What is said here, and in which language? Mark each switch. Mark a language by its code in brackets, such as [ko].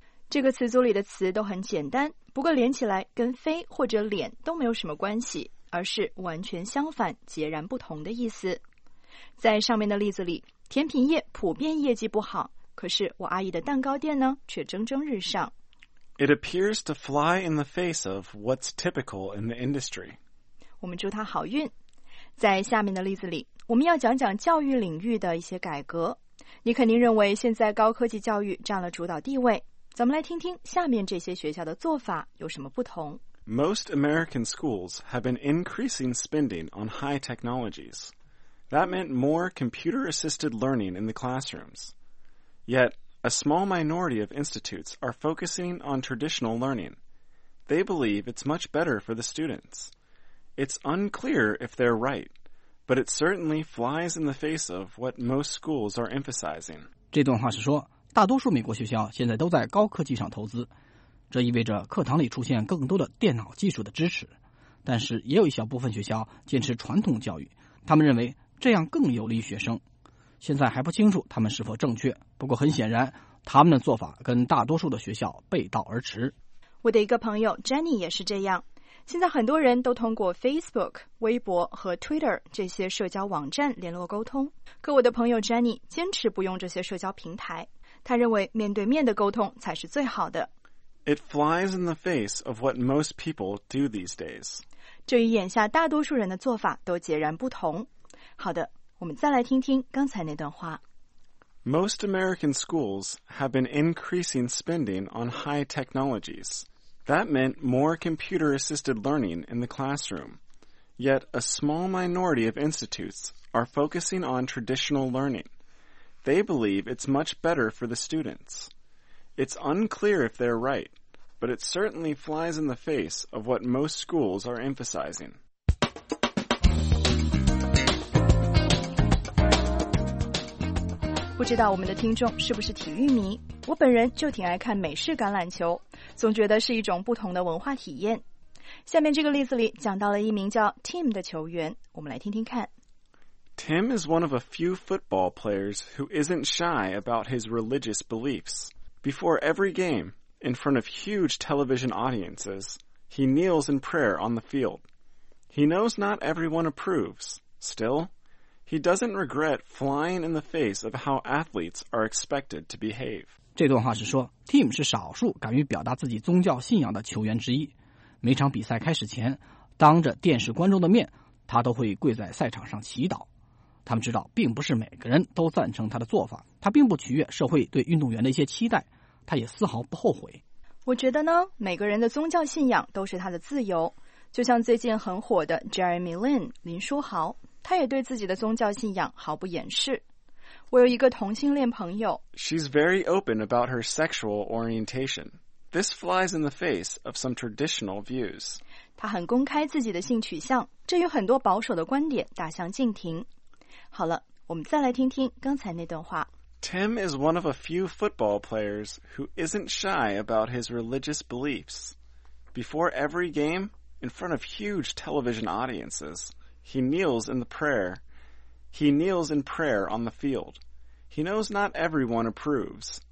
[zh] 这个词组里的词都很简单，不过连起来跟飞或者脸都没有什么关系，而是完全相反，截然不同的意思。在上面的例子里，甜品业普遍业绩不好，可是我阿姨的蛋糕店呢，却蒸蒸日上。 [en] It appears to fly in the face of what's typical in the industry. [zh] 我们祝他好运。在下面的例子里，我们要讲讲教育领域的一些改革。你肯定认为现在高科技教育占了主导地位。咱们来听听下面这些学校的做法有什么不同。 [en] Most American schools have been increasing spending on high technologies. That meant more computer-assisted learning in the classrooms. Yet,A small minority of institutes are focusing on traditional learning. They believe it's much better for the students. It's unclear if they're right, but it certainly flies in the face of what most schools are emphasizing. [zh] 这段话是说，大多数美国学校现在都在高科技上投资，这意味着课堂里出现更多的电脑技术的支持。但是也有一小部分学校坚持传统教育，他们认为这样更有利于学生。现在还不清楚他们是否正确，不过很显然他们的做法跟大多数的学校背道而驰。我的一个朋友 Jenny 也是这样，现在很多人都通过 Facebook、 微博和 Twitter 这些社交网站联络沟通，可我的朋友 Jenny 坚持不用这些社交平台，他认为面对面的沟通才是最好的。 [en] It flies in the face of what most people do these days. [zh] 这与眼下大多数人的做法都截然不同。好的，我们再来听听刚才那段话。 [en] Most American schools have been increasing spending on high technologies. That meant more computer-assisted learning in the classroom. Yet a small minority of institutes are focusing on traditional learning. They believe it's much better for the students. It's unclear if they're right, but it certainly flies in the face of what most schools are emphasizing. [zh] 不知道我们的听众是不是体育迷，我本人就挺爱看美式橄榄球，总觉得是一种不同的文化体验。下面这个例子里讲到了一名叫 Tim 的球员，我们来听听看。 [en] Tim is one of a few football players who isn't shy about his religious beliefs. Before every game, in front of huge television audiences, he kneels in prayer on the field. He knows not everyone approves. Still, he doesn't regret flying in the face of how athletes are expected to behave. [zh] 这段话是说 ,Tim 是少数敢于表达自己宗教信仰的球员之一。每场比赛开始前，当着电视观众的面，他都会跪在赛场上祈祷。他们知道并不是每个人都赞成他的做法，他并不取悦社会对运动员的一些期待，他也丝毫不后悔。我觉得呢，每个人的宗教信仰都是他的自由，就像最近很火的 Jeremy Lin 林书豪，他也对自己的宗教信仰毫不掩饰。我有一个同性恋朋友， [en] She's very open about her sexual orientation. This flies in the face of some traditional views. [zh] 他很公开自己的性取向，这与很多保守的观点大相径庭。好了，我们再来听听刚才那段话。 [en] Tim is one of a few football players who isn't shy about his religious beliefs. Before every game, in front of huge television audiences, he kneels in prayer on the field. He knows not everyone approves.